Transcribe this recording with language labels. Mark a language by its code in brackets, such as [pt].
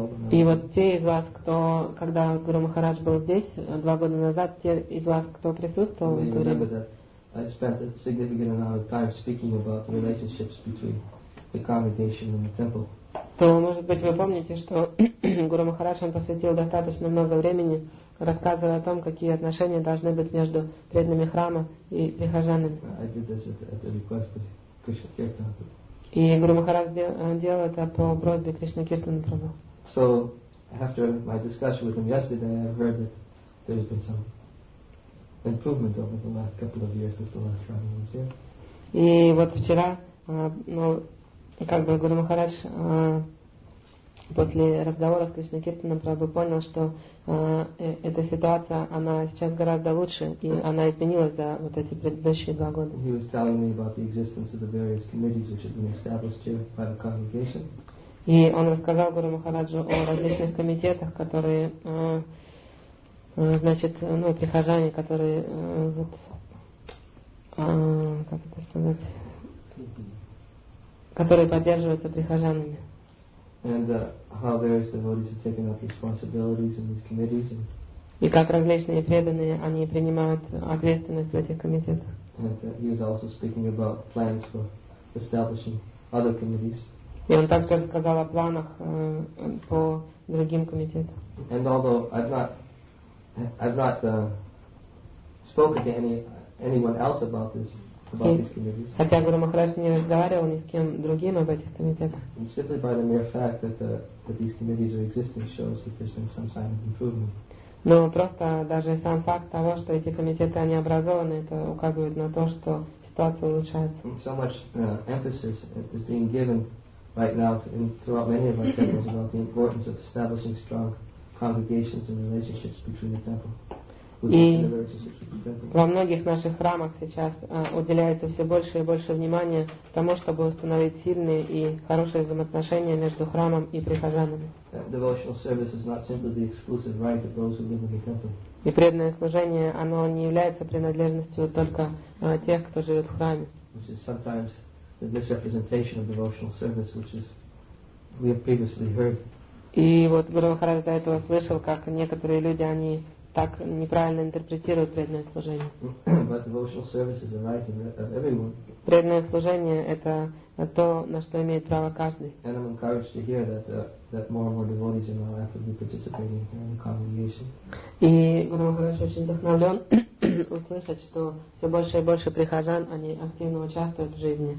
[ru] И вот те из вас, кто, когда Гуру Махарадж был здесь 2 года назад, те из вас, кто присутствовал, [en] I spent a significant amount of time speaking about the relationships between the congregation and the temple. [ru] То, может быть, вы помните, что Гуру Махарадж посвятил достаточно много времени, рассказывая о том, какие отношения должны быть между преданными храма и прихожанами. [en] I did this at the request of Krishna Kirtan. [ru] И Гуру Махарадж делал это по просьбе Кришны Киртана Прабху. [en] So, after my discussion with him yesterday, I heard that there has been some improvement over the last couple of years since the last time he was here. [ru] И вот вчера, ну, как бы Гуру Махарадж После разговора с Кришнакиртаном Прабху понял, что эта ситуация, она сейчас гораздо лучше, и она изменилась за вот эти предыдущие два года. [en] He was telling me about the existence of the various committees which had been established here by the congregation. [ru] И он рассказал Гуру Махараджу о различных комитетах, которые, значит, ну, прихожане, которые, вот, как это сказать, которые поддерживаются прихожанами. [en] And how various devotees have taken up responsibilities in these committees. And [ru] и как различные преданные, они принимают ответственность в этих комитетах. [en] And he was also speaking about plans for establishing other committees. [ru] И он также рассказал о планах по другим комитетам. [en] And although I've not spoken to anyone else about this, about these committees. [ru] Хотя Гуру Махарадж не разговаривал ни с кем другим об этих комитетах. [en] And simply by the mere fact that these committees are existing shows that there's been some sign of improvement. [ru] Но просто даже сам факт того, что эти комитеты они образованы, это указывает на то, что ситуация улучшается. [en] And so much emphasis is being given right now and throughout many of our temples about the importance of establishing strong congregations and relationships between the temple. [ru] И во многих наших храмах сейчас уделяется все больше и больше внимания тому, чтобы установить сильные и хорошие взаимоотношения между храмом и прихожанами. [en] Devotional service is not simply the exclusive right of those who live in the temple. [ru] И преданное служение, оно не является принадлежностью только тех, кто живет в храме. [en] Which is sometimes the misrepresentation of devotional service, which is we have previously heard. [ru] И вот Гуру Махарадж до этого слышал, как некоторые люди, они так неправильно интерпретируют преданное служение. [en] But devotional service is a right of everyone. [ru] Преданное служение — это то, на что имеет право каждый. [en] And I'm encouraged to hear that more and more devotees are now actively participating in the congregation. [ru] И Гуру Махарадж очень вдохновлен услышать, что все больше и больше прихожан, они активно участвуют в жизни.